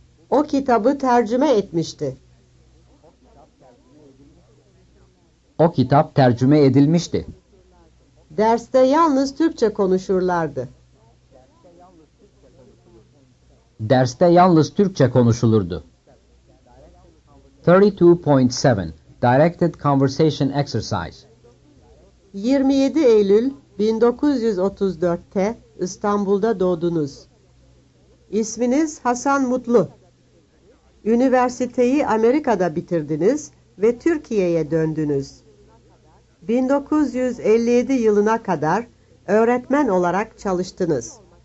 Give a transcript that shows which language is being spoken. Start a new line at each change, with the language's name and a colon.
Turkish: O kitabı tercüme etmişti. O kitap tercüme edilmişti. Derste yalnız Türkçe konuşurlardı. Derste yalnız Türkçe konuşulurdu.
English: 32.7 Directed Conversation Exercise.
Turkish: 27 Eylül 1934'te İstanbul'da doğdunuz. İsminiz Hasan Mutlu. Üniversiteyi Amerika'da bitirdiniz ve Türkiye'ye döndünüz. 1957 yılına kadar öğretmen olarak çalıştınız.